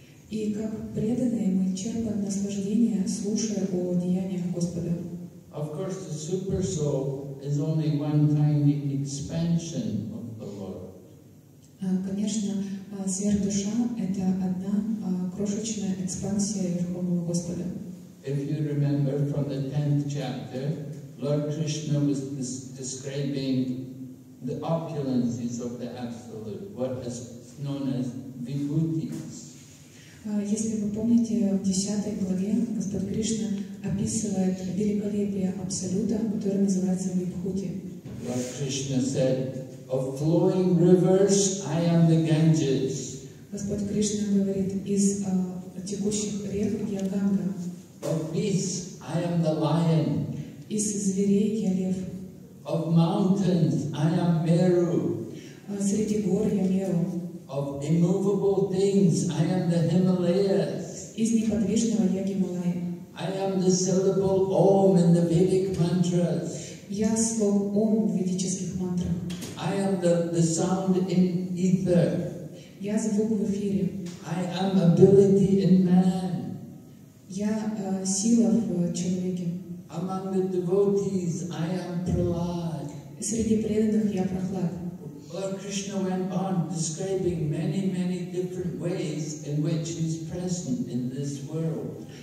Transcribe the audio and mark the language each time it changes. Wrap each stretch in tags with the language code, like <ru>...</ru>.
<ru>И как преданные мы черпаем наслаждение, слушая о деяниях Господа.</ru> <en>Of course, the super soul is only one tiny expansion of the Lord.</en> <ru>Конечно, сверхдуша — это одна крошечная экспансия Верховного Господа.</ru> <en>If you remember from the 10th chapter, Lord Krishna was describing the opulences of the Absolute, what is known as vibhutis.</en> <ru>Если вы помните, в 10 главе Господь Кришна описывает великолепие Абсолюта, которое называется вибхути.</ru> <en>Lord Krishna said, "Of flowing rivers, I am the Ganges."</en> <ru>Господь Кришна говорит, из текущих рек я Ганга.</ru> <en>Of beasts, I am the lion.</en> <ru>Из зверей я лев.</ru> <en>Of mountains, I am Meru.</en> <ru>Среди гор я Меру.</ru> <en>Of immovable things, I am the Himalayas.</en> <ru>Из неподвижного я Гималаи.</ru> <en>I am the syllable Om in the Vedic mantras.</en> <ru>Я слог Ом в ведических мантрах.</ru> <en>I am the sound in ether.</en> <ru>Я звук в эфире.</ru> <en>I am ability in man.</en> <ru>Я сила в человеке.</ru> <en>Among the devotees, I am Prahlad.</en> <ru>Среди преданных я Прохлад.</ru> <en>Lord Krishna went on describing many, many different ways in which he is present in this world.</en>